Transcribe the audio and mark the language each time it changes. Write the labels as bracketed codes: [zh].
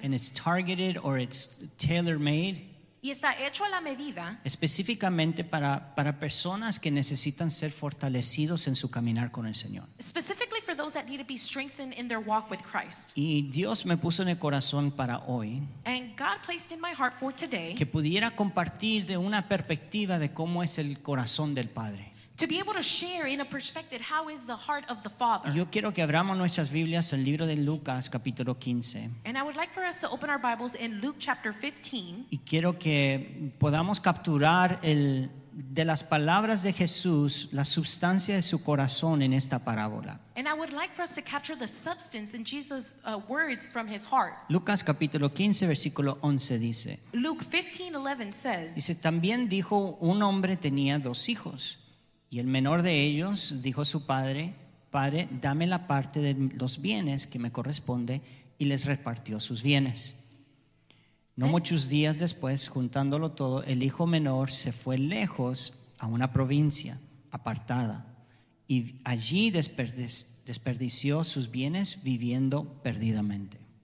[en] And it's targeted or it's tailor-made. [es] Y está hecho a la medida. Específicamente para personas que necesitan ser fortalecidos en su caminar con el Señor. [en] Specifically for those that need to be strengthened in their walk with Christ. [es] Y Dios me puso en el corazón para hoy. [en] And God placed in my heart for today. [es] Que pudiera compartir de una perspectiva de cómo es el corazón del Padre. [en] To be able to share in a perspective how is the heart of the Father. [es] Yo quiero que abramos nuestras Biblias en el libro de Lucas, capítulo 15. [en] And I would like for us to open our Bibles in Luke chapter 15. [es] Y quiero que podamos capturar de las palabras de Jesús la sustancia de su corazón en esta parábola. [en] And I would like for us to capture the substance in Jesus' words from his heart. [es] Lucas capítulo 15 versículo 11 dice. [en] Luke 15:11 says. [es] Dice también dijo un hombre tenía dos hijos. Y el menor de ellos dijo a su padre, Padre, dame la parte de los bienes que me corresponde, y les repartió sus bienes. No muchos días después, juntándolo todo, el hijo menor se fue lejos a una provincia apartada, y allí desperdició sus bienes viviendo perdidamente.